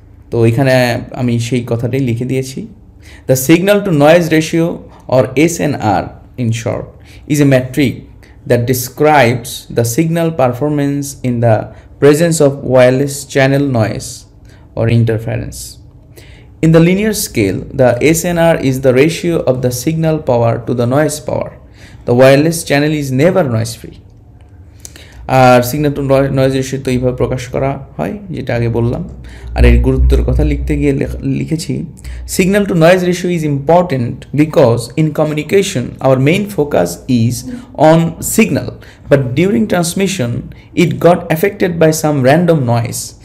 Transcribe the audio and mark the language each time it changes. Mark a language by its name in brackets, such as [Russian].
[Bangla] তো এখানে আমি সেই কথাটাই লিখে দিয়েছি, [English] The signal to noise ratio or S N R in short is a metric that describes the signal performance in the presence of wireless channel noise or interference. In the linear scale, the SNR is the ratio of the signal power to the noise power. The wireless channel is never noise free. [Bangla] আর signal two noise ratio তো এইভাবে প্রকাশ করা হয় যেটা আগে বললাম। আর এর গুরুত্বের কথা লিখতে গিয়ে লিখেছি, [English] Signal to noise ratio is important because in communication our main focus is on signal, but during transmission it got affected by some random noise.